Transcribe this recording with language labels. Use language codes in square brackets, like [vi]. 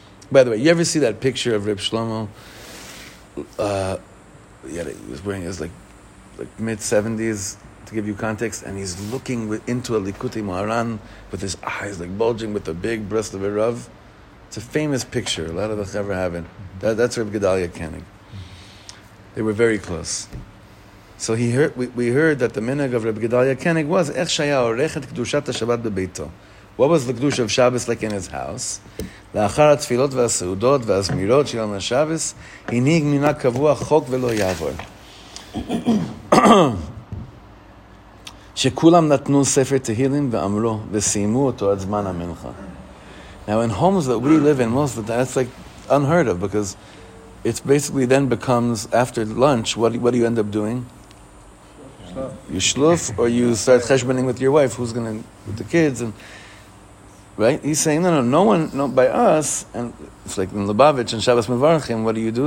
[en] By the way, you ever see that picture of Rav Shlomo? He was wearing his like mid-70s, to give you context, and he's looking into a Likutei Moharan with his eyes like bulging with a big breast of a Rav. It's a famous picture. A lot of us ever have it. That's Rav Gedalia Kenig. They were very close. So we heard that the minhag of Rav Gedalia Kenig was [he] Ech Shaya Orechet Kedushat HaShabbat BeBeito. [en] What was the Kedusha of Shabbos like in his house? [he] לאחר התפילות והסעודות והזמירות של יום השבס, הנהיג מנהג קבוע חוק ולא יעבור. שכולם נתנו ספר תהילים ואמרו, וסיימו אותו עד זמן המנחה. [en] Now in homes that we live in, most of the time, that's like unheard of, because it basically then becomes, after lunch, what do you end up doing? You shluf, or you start cheshbonning with your wife, who's going to, with the kids, and... Right? He's saying, no one, by us, and it's like in Lubavitch and Shabbos Mevarachim, what do?